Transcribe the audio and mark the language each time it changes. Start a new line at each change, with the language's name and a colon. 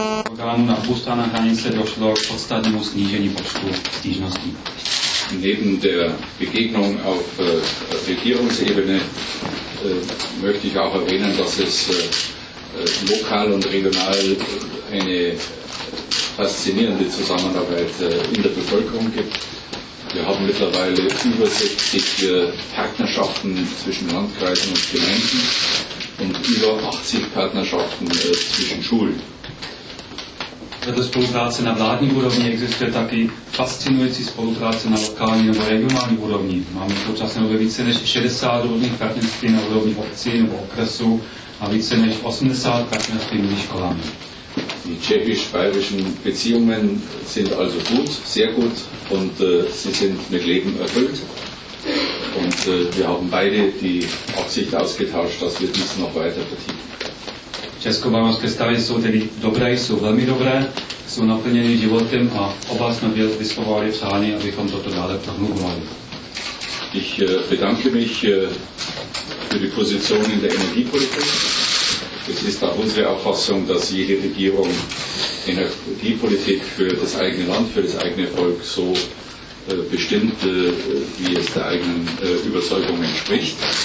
Czech: Orgánů na Busta na hranice došlo k podstatnému snížení počtu stížností.
German: Neben der Begegnung auf Regierungsebene möchte ich auch erwähnen, dass es lokal und regional eine faszinierende Zusammenarbeit in der Bevölkerung gibt. Wir haben mittlerweile über 60 Partnerschaften zwischen Landkreisen und Gemeinden und über 80 Partnerschaften zwischen Schulen.
Czech: Vedle spolupráce na vládní úrovni existuje taky fascinující spolupráce na lokální nebo regionální úrovni. Máme současně ve více než 60 různých partnerství na úrovni obcí nebo okresu a více než 80 partnerství mezi školami.
German: die tschechisch-bayerischen Beziehungen sind also gut, sehr gut, und sie sind mit Leben erfüllt. Und wir haben beide die Absicht ausgetauscht, dass wir dies noch weiter vertiefen.
Czech: Česko-bavorské vztahy jsou tedy dobré, jsou velmi dobré, jsou naplněny životem a oba jsme vyslovovali přání, abychom toto dále prohlubovali.
German: Ich bedanke mich für die Position in der Energiepolitik. Es ist auch unsere Auffassung, dass jede Regierung Energiepolitik für das eigene Land, für das eigene Volk so bestimmt, wie es der eigenen Überzeugung entspricht.